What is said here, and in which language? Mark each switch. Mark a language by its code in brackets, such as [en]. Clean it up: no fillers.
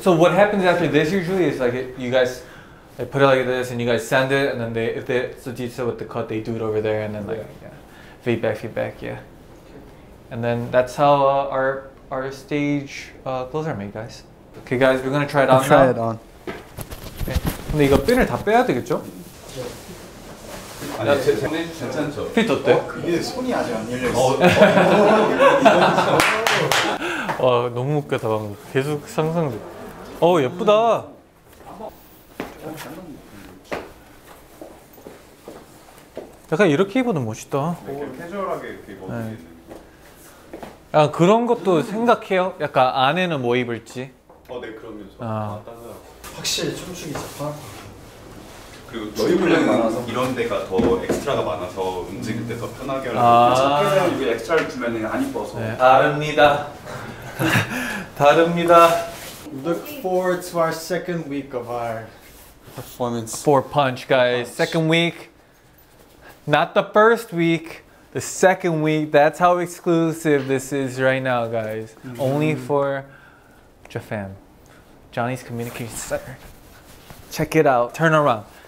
[en] So what happens after this usually is like you guys like put it like this and you guys send it, and then they, if they, so detail with the cut, they do it over there, and then like, yeah, feedback, yeah. And then that's how our stage clothes are made, guys. Okay, guys, we're gonna try it on now. Try it on. Okay. [ko] 근데 이거 핀을 다 빼야 되겠죠? 아니, 괜찮죠? 핏 어때? 이게 손이 아직 안 열려있어. 와, 너무 웃겨다. 막 계속 상상돼. 어, 예쁘다. 약간 이렇게 입어도 멋있다. 캐주얼하게 이렇게 입어도 그런 것도 생각해요? 약간 안에는 뭐 입을지? 어, 네, 그럼요. 저. 확실히 춤추기 잡아. 그리고 저희 분량이 많아서 이런 데가 더 엑스트라가 많아서 움직일 때 더 편하게 하려고. 자켓은 이게 엑스트라를 주면 안 이뻐서. 네. 다릅니다. 다릅니다. [en] Look forward to our second week of our performance. Four punch, guys. Punch. Second week. Not the first week. The second week. That's how exclusive this is right now, guys. Mm-hmm. Only for Japan. Johnny's Communication Center. Check it out. Turn around.